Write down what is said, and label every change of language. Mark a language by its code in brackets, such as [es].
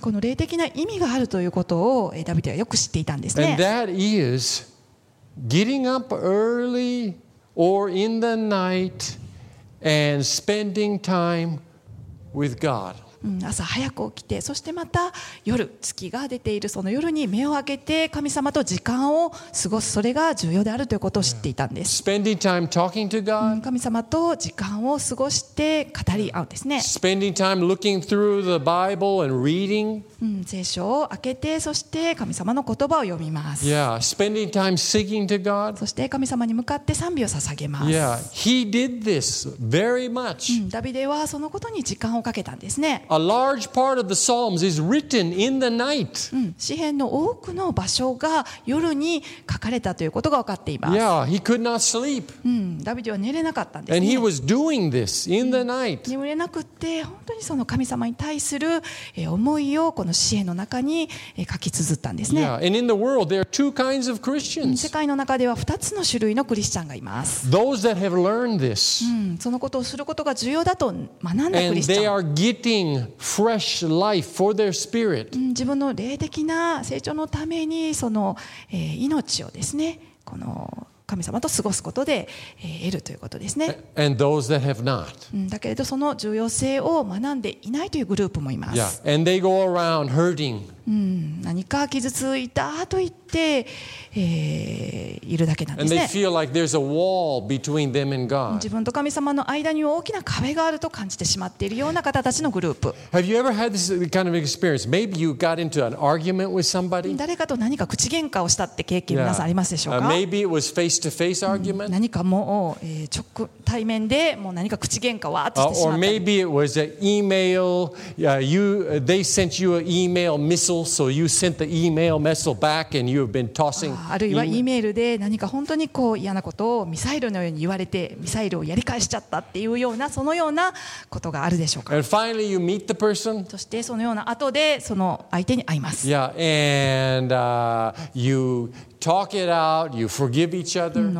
[ja] この霊的な意味があるということをダビデはよく知っていたんですね。 [en] And that is getting up early or in the night and spending time with God. [ja] 朝早く起きて、そしてまた夜、月が出ているその夜に目を開けて神様と時間を過ごす、それが重要であるということを知っていたんです。 [en] Yeah. Spending time talking to God. [ja] 神様と時間を過ごして語り合うんですね。 [en] Spending time looking through the Bible and reading. [ja] 聖書を開けて、そして神様の言葉を読みます。 [en] Yeah. Spending time singing to God. [ja] そして神様に向かって賛美を捧げます。 [en] Yeah. He did this very much. [ja] ダビデはそのことに時間をかけたんですね。 [en] A large part of the Psalms is written in the night. [ja] 詩編の多くの場所が夜に書かれたということが分かっています。 [en] Yeah, he could not sleep. [ja] ダビデは寝れなかったんですね。 [en] And he was doing this in the night. [ja] 眠れなくって本当にその神様に対する思いをこの詩編の中に書き綴ったんですね。 [en] Yeah, and in the world there are two kinds of Christians. [ja] 世界の中では二つの種類のクリスチャンがいます。 [en] Those that have learned this. [ja] そのことをすることが重要だと学んだクリスチャン。 [en] And they are getting Fresh life for their spirit. [ja] 自分の霊的な成長のためにその、命をですね、この神様と過ごすことで、得るということですね。 [en] And those that have not. [ja] だけれどその重要性を学んでいないというグループもいます。 [en] Yeah. And they go around hurting. [ja] 何か傷ついたと言って、いるだけなんですね。 [en] And they feel like there's a wall between them and God. [ja] 自分と神様の間に大きな壁があると感じてしまっているような方たちのグループ。 [en] Have you ever had this kind of experience? Maybe you got into an argument with somebody. [ja] 誰かと何か口喧嘩をしたって経験皆さんありますでしょうか？ [en] Maybe it was face to face argument. [ja] 何かもう、直対面でもう何か口喧嘩をわーっとしてしまった。 [en] Or maybe it was an email. Yeah, they sent you an email missile. So you sent the email missile back, and you've been tossing. [ja] あるいは E メールで何か本当にこう嫌なことをミサイルのように言われてミサイルをやり返しちゃったっていうようなそのようなことがあるでしょうか。 [en] And finally, you meet the person. [ja] そしてそのような後でその相手に会います。 [en] Yeah, and you. Talk it out, you forgive each other.